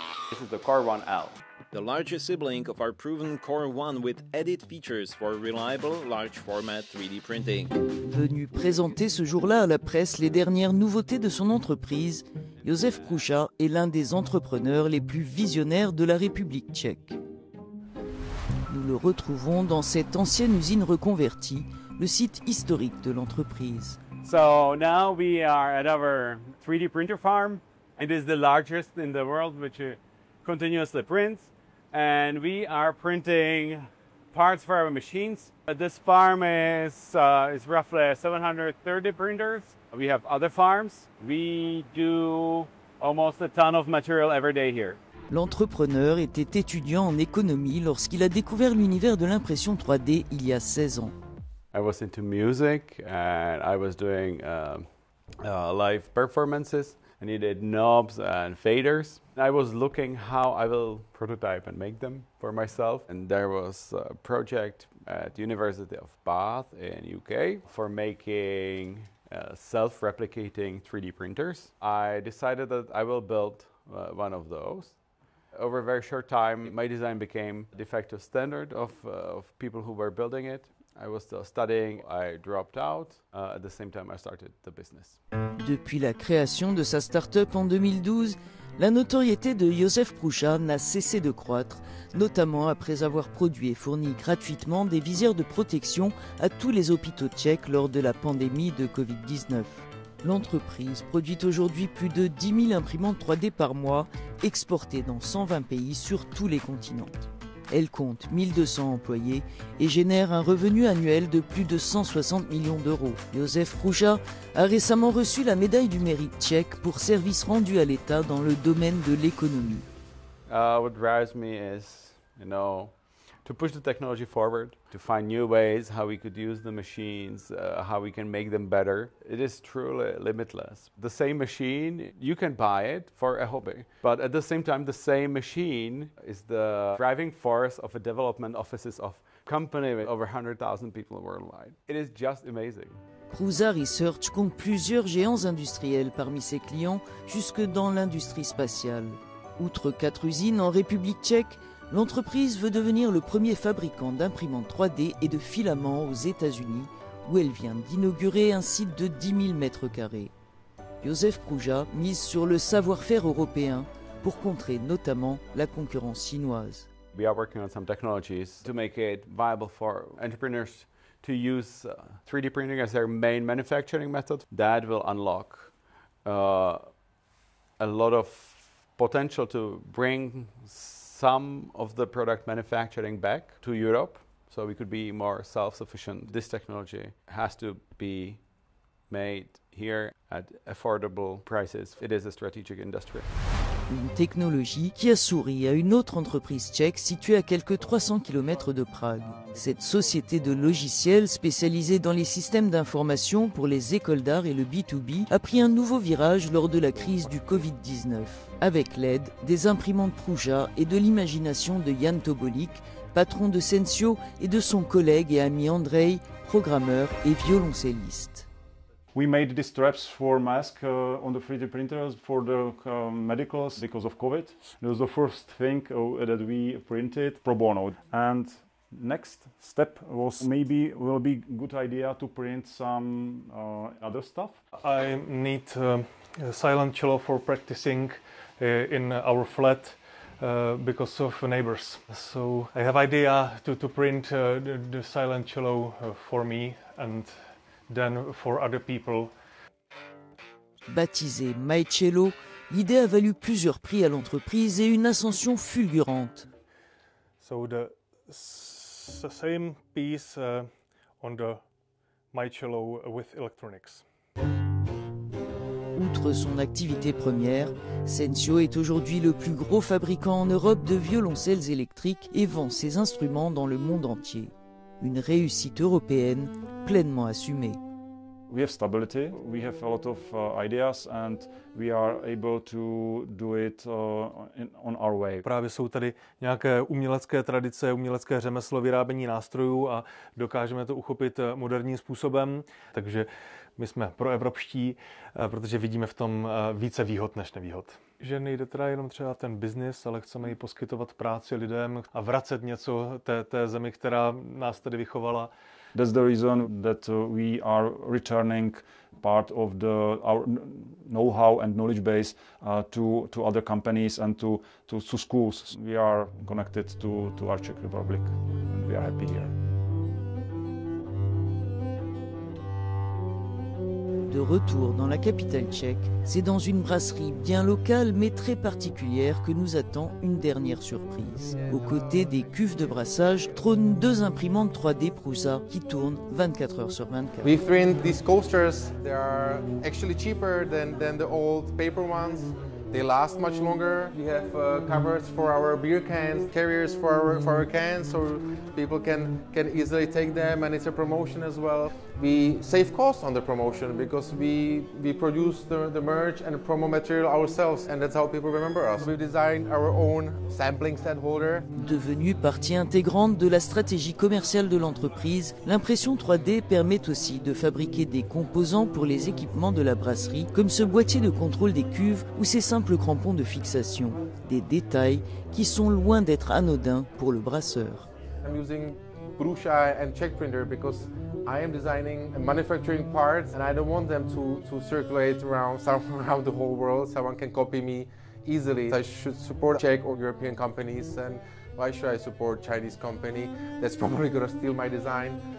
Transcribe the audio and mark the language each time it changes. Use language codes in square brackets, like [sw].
[en] This is the Core 1L. The largest sibling of our proven Core 1 with added features for reliable large format 3D printing. [fr] Venu présenter ce jour-là à la presse les dernières nouveautés de son entreprise, Josef Průša est l'un des entrepreneurs les plus visionnaires de la République tchèque. Nous le retrouvons dans cette ancienne usine reconvertie, le site historique de l'entreprise. [en] So now we are at our 3D printer farm. It is the largest in the world, which continuously prints. And we are printing parts for our machines. This farm is roughly 730 printers. We have other farms. We do almost a ton of material every day here. [fr] L'entrepreneur était étudiant en économie lorsqu'il a découvert l'univers de l'impression 3D il y a 16 ans. [en] I was into music and I was doing live performances. I needed knobs and faders. I was looking how I will prototype and make them for myself. And there was a project at the University of Bath in UK for making self-replicating 3D printers. I decided that I will build one of those. Over a very short time, my design became de facto standard of people who were building it. I was still studying, I dropped out, at the same time I started the business. [fr] Depuis la création de sa start-up en 2012, la notoriété de Josef Průša n'a cessé de croître, notamment après avoir produit et fourni gratuitement des visières de protection à tous les hôpitaux tchèques lors de la pandémie de Covid-19. L'entreprise produit aujourd'hui plus de 10 000 imprimantes 3D par mois, exportées dans 120 pays sur tous les continents. Elle compte 1200 employés et génère un revenu annuel de plus de 160 millions d'euros. Josef Průša a récemment reçu la médaille du mérite tchèque pour service rendu à l'État dans le domaine de l'économie. [en] What drives me is, you know, to push the technology forward, to find new ways how we could use the machines, how we can make them better. It is truly limitless. The same machine, you can buy it for a hobby, but at the same time, the same machine is the driving force of a development offices of company with over 100,000 people worldwide. It is just amazing. [fr] Průša Research compte plusieurs géants industriels parmi ses clients, jusque dans l'industrie spatiale. Outre quatre usines en République tchèque, l'entreprise veut devenir le premier fabricant d'imprimantes 3D et de filaments aux États-Unis, où elle vient d'inaugurer un site de 10 000 mètres carrés. Josef Průša mise sur le savoir-faire européen pour contrer notamment la concurrence chinoise. [en] We are working on some technologies to make it viable for entrepreneurs to use 3D printing as their main manufacturing method. That will unlock a lot of potential to bring some of the product manufacturing back to Europe, so we could be more self-sufficient. This technology has to be made here at affordable prices. It is a strategic industry. [fr] Une technologie qui a souri à une autre entreprise tchèque située à quelques 300 km de Prague. Cette société de logiciels spécialisée dans les systèmes d'information pour les écoles d'art et le B2B a pris un nouveau virage lors de la crise du Covid-19. Avec l'aide des imprimantes Průša et de l'imagination de Jan Tobolik, patron de Sensio, et de son collègue et ami Andrei, programmeur et violoncelliste. [en] We made these straps for masks on the 3D printers for the medicals because of COVID. It was the first thing that we printed pro bono. And next step was maybe will be good idea to print some other stuff. I need a silent cello for practicing in our flat because of neighbors. So I have idea to print the silent cello for me and then for other people. [fr] Baptisé My Cello, l'idée a valu plusieurs prix à l'entreprise et une ascension fulgurante. [en] So the same piece on the My Cello with electronics. [fr] Outre son activité première, Sensio est aujourd'hui le plus gros fabricant en Europe de violoncelles électriques et vend ses instruments dans le monde entier. Une réussite européenne pleinement assumée. [en] We have stability, we have a lot of ideas and we are able to do it on our way. [cs] Právě jsou tady nějaké umělecké tradice, umělecké řemeslo vyrábění nástrojů a dokážeme to uchopit moderním způsobem. Takže my jsme proevropští, protože vidíme v tom více výhod než nevýhod. Že nejde teda jenom třeba ten biznis, ale chceme i poskytovat práci lidem a vracet něco té zemi, která nás tady vychovala. [en] That's the reason that we are returning part of our know-how and knowledge base to other companies and to schools. We are connected to our Czech Republic and we are happy here. [fr] De retour dans la capitale tchèque, c'est dans une brasserie bien locale mais très particulière que nous attend une dernière surprise. Aux côtés des cuves de brassage trônent deux imprimantes 3D Průša qui tournent 24 heures sur 24. [en] We print these coasters. They are actually cheaper than the old paper ones. They last much longer. We have covers for our beer cans, carriers for our cans, so people can easily take them, and it's a promotion as well. We save cost on the promotion because we produce the merch and promo material ourselves, and that's how people remember us. We designed our own sampling stand holder. [fr] Devenue partie intégrante de la stratégie commerciale de l'entreprise, l'impression 3D permet aussi de fabriquer des composants pour les équipements de la brasserie, comme ce boîtier de contrôle des cuves ou ces simples crampons de fixation. Des détails qui sont loin d'être anodins pour le brasseur. [en] I'm using Průša and Czech printer because I am designing and manufacturing parts and I don't want them to circulate around the whole world. Someone can copy me easily. I should support Czech or European companies, and why should I support Chinese company that's probably going to steal my design?